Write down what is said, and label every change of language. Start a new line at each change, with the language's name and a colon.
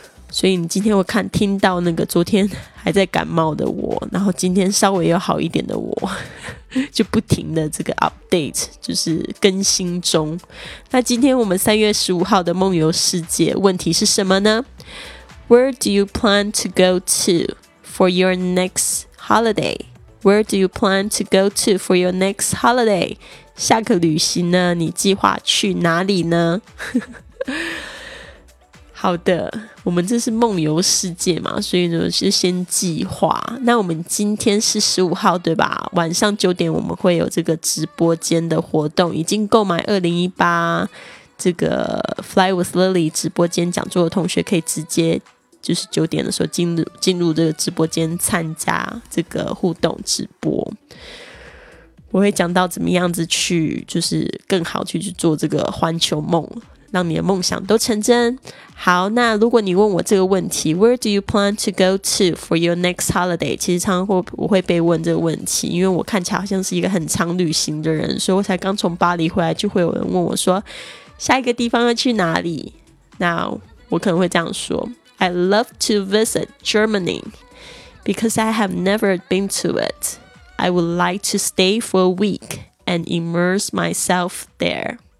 Chinese: 所以你今天会看听到那个昨天还在感冒的我，然后今天稍微有好一点的我，就不停的这个 update 就是更新中。那今天我们3月15号的梦游世界问题是什么呢？
English: Where do you plan to go to for your next holiday? Where do you plan to go to for your next holiday?
Chinese: 下个旅行呢你计划去哪里呢？好的，我们这是梦游世界嘛，所以呢是先计划。那我们今天是15号对吧，晚上9点我们会有这个直播间的活动，已经购买2018这个 Fly with Lily 直播间讲座的同学可以直接就是9点的时候进入这个直播间参加这个互动直播。我会讲到怎么样子去就是更好去做这个环球梦，让你的梦想都成真。好，那如果你问我这个问题
English: Where do you plan to go to for your next holiday?
Chinese: 其实常常我会被问这个问题，因为我看起来好像是一个很常旅行的人，所以我才刚从巴黎回来，就会有人问我说下一个地方要去哪里。那我可能会这样说，
English: I love to visit Germany because I have never been to it. I would like to stay for a week and immerse myself there.